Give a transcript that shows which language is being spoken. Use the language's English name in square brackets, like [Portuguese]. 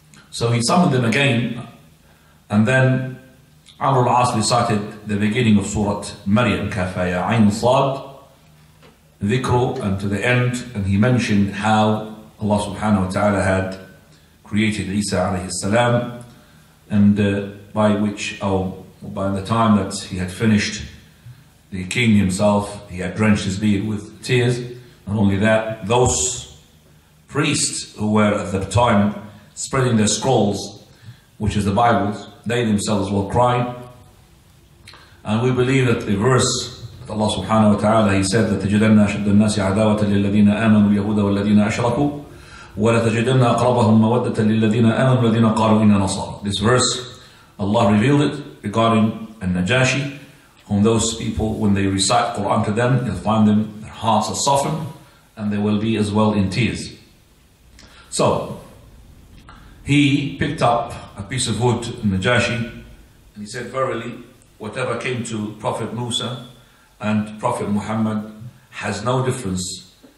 [English] So he summoned them again, and then Amr al-As recited the beginning of Surah Maryam, Kafaya Ayn Sad, Dhikru, and to the end, and he mentioned how Allah subhanahu wa ta'ala had created Isa alayhi salam, and by the time that he had finished, the king himself, he had drenched his beard with tears. Not only that, those priests who were at the time spreading their scrolls, which is the Bibles, they themselves were crying. And we believe that the verse that Allah subhanahu wa ta'ala, he said that [Arabic] تَجِدَنَّ أَشَدَّ النَّاسِ عَدَاوَةً لِلَّذِينَ آمَنُوا الْيَهُودَ وَالَّذِينَ أَشْرَكُوا وَلَتَجِدَنَّ أَقْرَبَهُمْ مَوَدَّةً لِلَّذِينَ آمَنُوا الَّذِينَ قَالُوا إِنَّا نَصَارَى. [English] This verse, Allah revealed it regarding al-Najashi, whom those people, when they recite Quran to them, you'll find them, their hearts are softened, and they will be as well in tears. So, he picked up a piece of wood, Najashi, and he said, verily, whatever came to Prophet Musa and Prophet Muhammad has no difference.